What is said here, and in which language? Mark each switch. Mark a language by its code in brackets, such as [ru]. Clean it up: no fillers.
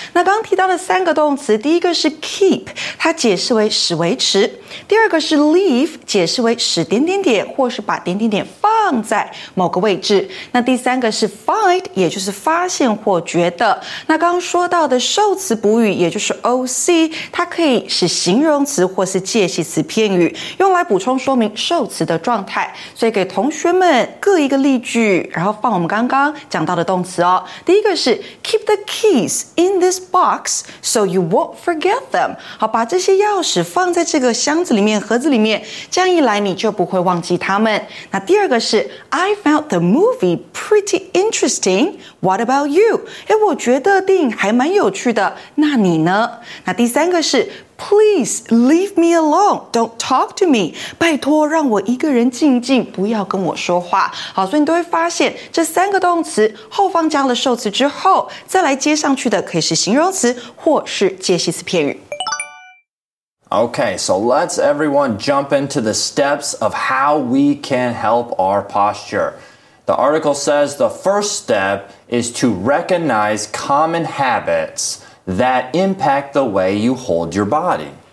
[zh] 那刚刚提到的三个动词，第一个是 keep， 它解释为使维持；第二个是 leave， 解释为使点点点或是把点点点放在某个位置；那第三个是 fight， 也就是发现或觉得。那刚刚说到的受词补语，也就是 OC， 它可以使形容词或是介系词片语，用来补充说明受词的状态。所以给同学们各一个例句，然后放我们刚刚讲到的动词哦。第一个是 [en] keep the keys in this box so you won't forget them。 [zh] 好，把这些钥匙放在这个箱子里面、盒子里面，这样一来你就不会忘记它们。那第二个是 [en] I found the movie pretty interesting. What about you? [zh] 哎，我觉得电影还蛮有趣的。那你呢？那第三个是。 [en] Please leave me alone. Don't talk to me. [zh] 拜托让我一个人静静，不要跟我说话。好，所以你都会发现这三个动词后方加了受词之后，再来接上去的可以是形容词或是介系词片语。 [en] Okay, so let's everyone jump into the steps of how we can help our posture. The article says the first step is to recognize common habits. That impact the way you hold your body.